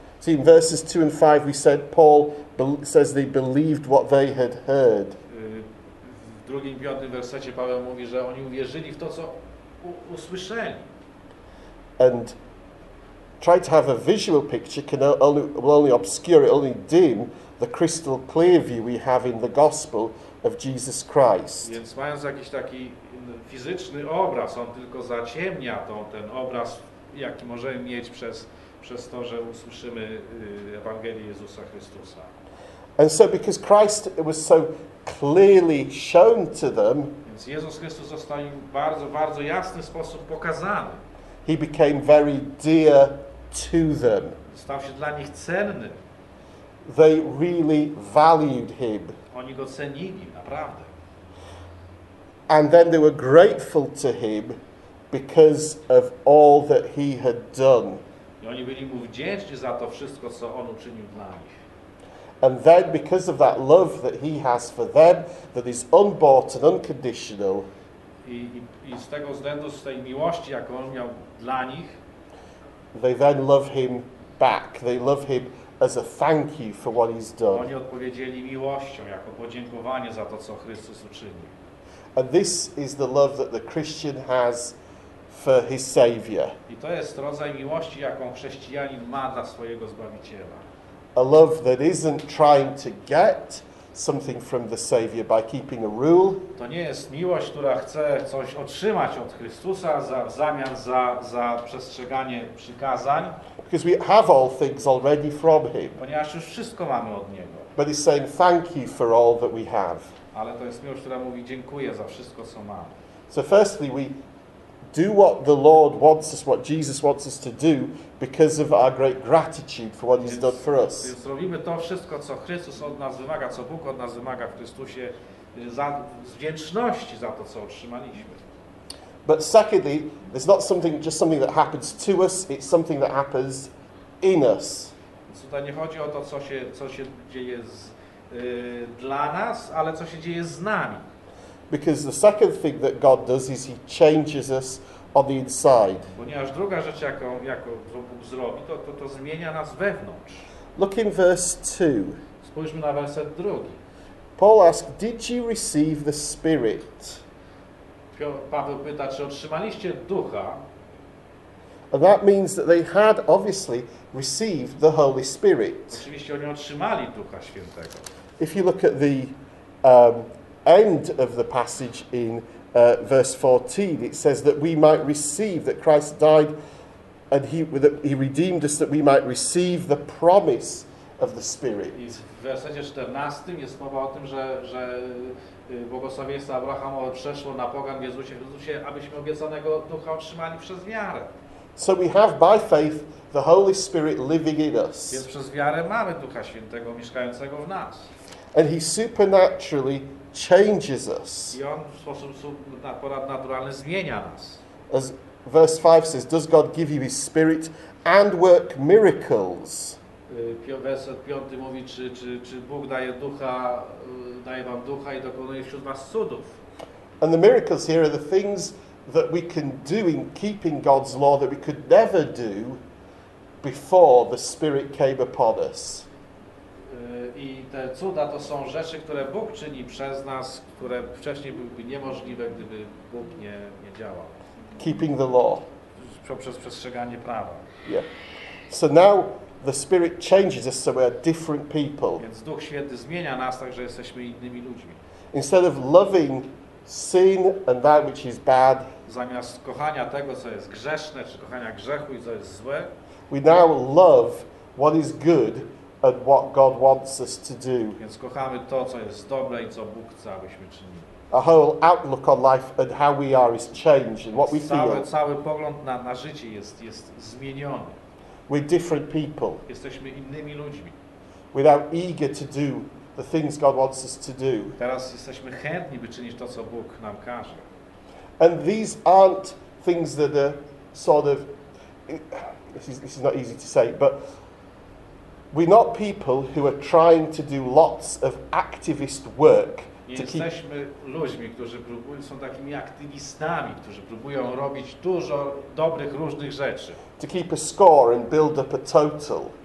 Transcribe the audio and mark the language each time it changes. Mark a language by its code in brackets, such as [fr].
[en] See, in verses 2 and 5 we said Paul says they believed what they had heard. [pl] W drugim, piątym wersecie Paweł mówi, że oni uwierzyli w to, co usłyszeli. [en] And try to have a visual picture can only obscure, it only dim the crystal clear view we have in the gospel of Jesus Christ. [pl] Więc mając jakiś taki fizyczny obraz, on tylko zaciemnia ten obraz, jaki możemy mieć przez to, że usłyszymy Ewangelię Jezusa Chrystusa. [en] And so because Christ was so clearly shown to them. [pl] Więc Jezus Chrystus został im bardzo, bardzo jasny sposób pokazany. [en] He became very dear to them. [pl] Stał się dla nich cenny. [en] They really valued him. [pl] Oni go cenili, naprawdę. [en] And then they were grateful to him because of all that he had done. [pl] I oni byli mu wdzięczni za to wszystko, co on uczynił dla nich. [en] And then, because of that love that he has for them, that is unbought and unconditional. [pl] I z tego względu, z tej miłości, jaką on miał dla nich, [en] they then love him back. They love him as a thank you for what he's done. [pl] Oni odpowiedzieli miłością, jako podziękowanie za to, co Chrystus uczynił. [en] And this is the love that the Christian has for his Savior. [pl] I to jest rodzaj miłości, jaką chrześcijanin ma dla swojego Zbawiciela. [en] A love that isn't trying to get something from the Savior by keeping a rule. [pl] To nie jest miłość, która chce coś otrzymać od Chrystusa za, w zamian za, za przestrzeganie przykazań. [en] Because we have all things already from him. [pl] Ponieważ już wszystko mamy od niego. [en] But he's saying thank you for all that we have. [pl] Ale to jest miłość, która mówi dziękuję za wszystko, co mamy. [en] So firstly we do what the Lord wants us, what Jesus wants us to do because of our great gratitude for what [pl] więc, [en] he's done for us. [pl] Zrobimy to wszystko, co Chrystus od nas wymaga, co Bóg od nas wymaga w Chrystusie za, z wdzięczności za to, co otrzymaliśmy. [en] But secondly, it's not something just something that happens to us, it's something that happens in us. [pl] Więc tutaj nie chodzi o to, co się dzieje z, dla nas, ale co się dzieje z nami. [en] Because the second thing that God does is he changes us on the inside. [pl] Ponieważ druga rzecz, jaką Bóg zrobi, to, to zmienia nas wewnątrz. [en] Look in verse 2. [pl] Spójrzmy na werset drugi. [en] Paul asks, did you receive the Spirit? [pl] Paweł pyta, czy otrzymaliście Ducha? [en] And that means that they had obviously received the Holy Spirit. [pl] Oczywiście oni otrzymali Ducha Świętego. [en] If you look at the end of the passage in verse 14, it says that we might receive, that Christ died and he redeemed us, that we might receive the promise of the Spirit. [pl] I w wersecie 14 jest mowa o tym, że błogosławieństwo Abrahamowe przeszło na pogan w Jezusie Chrystusie, abyśmy obiecanego Ducha otrzymali przez wiarę. [en] So we have by faith the Holy Spirit living in us. [pl] Więc przez wiarę mamy Ducha Świętego mieszkającego w nas. [en] And he supernaturally changes us. [pl] I on w sposób naturalny zmienia nas. [en] As verse 5 says, does God give you his Spirit and work miracles? [pl] Werset 5 mówi, czy Bóg daje ducha, daje wam ducha i dokonuje wśród was cudów. [en] And the miracles here are the things that we can do in keeping God's law that we could never do before the Spirit came upon us. [pl] I te cuda to są rzeczy, które Bóg czyni przez nas, które wcześniej byłyby niemożliwe, gdyby Bóg nie, nie działał. [en] Keeping the law. [pl] Przez przestrzeganie prawa. [en] Yeah. So now the Spirit changes us, so we are different people. [pl] Więc Duch Święty zmienia nas tak, że jesteśmy innymi ludźmi. [en] Instead of loving sin and that which is bad, [pl] zamiast kochania tego, co jest grzeszne, czy kochania grzechu i co jest złe, [en] we now love what is good and what God wants us to do. [pl] Więc kochamy to, co jest dobre i co Bóg chce, abyśmy czynili. [en] A whole outlook on life and how we are is changed and what we feel. [pl] Cały pogląd na życie jest zmieniony. [en] We're different people. [pl] Jesteśmy innymi ludźmi. [en] We're now eager to do the things God wants us to do. [pl] Teraz jesteśmy chętni, by czynić to, co Bóg nam każe. [en] And these aren't things that are sort of, this is not easy to say, but we're not people who are trying to do lots of activist work. [pl] Jesteśmy ludźmi, którzy próbują, są takimi aktywistami, którzy próbują robić dużo dobrych, różnych rzeczy. [en] To keep a score and build up a total.